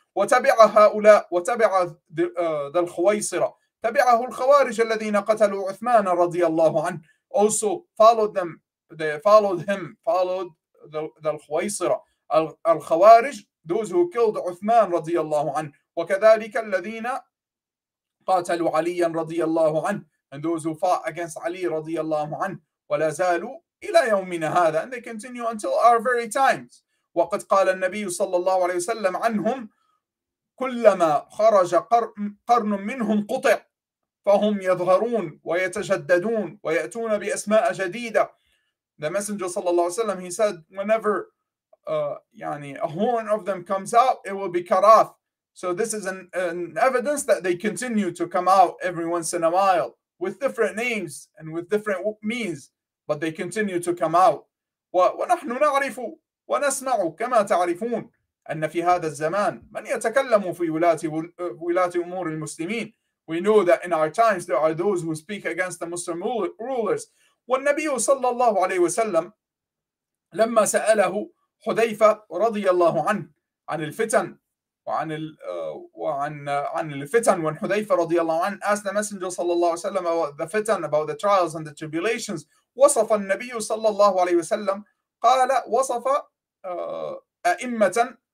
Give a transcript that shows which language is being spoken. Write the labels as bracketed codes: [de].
[ar] وتبعها هؤلاء وتبع Dhul Khuwaisara تبعه الخوارج الذين قتلوا عثمان رضي الله عنه. [en] Also followed them, they followed him, followed Dhul Khuwaisara. [ar] الخوارج, [en] those who killed [ar] عثمان رضي الله عنه, وكذلك الذين قاتلوا عليا رضي الله عنه, [en] and those who fought against Ali [ar] رضي الله عنه, ولا زالوا إلى يومنا هذا, [en] and they continue until our very times. [ar] وقد قال النبي صلى الله عليه وسلم عنهم كلما خرج قرن منهم قطع فهم يظهرون ويتجددون ويأتون بأسماء جديدة. [en] The Messenger صلى الله عليه وسلم, he said, whenever a horn of them comes out, it will be cut off. So this is an evidence that they continue to come out every once in a while with different names and with different means, but they continue to come out. [ar] ونحن نعرف ونسمع كما تعرفون أن في هذا الزمان من يتكلم في ولاة أمور المسلمين. [en] We know that in our times there are those who speak against the Muslim rulers. [ar] والنبي صلى الله عليه وسلم لما سأله حذيفة رضي الله عنه عن الفتن وعن عن الفتن, [en] when حذيفة رضي الله عنه asked the messenger صلى الله عليه وسلم about the fitan, about the trials and the tribulations, [ar] وصف النبي صلى الله عليه وسلم قال وصف أئمة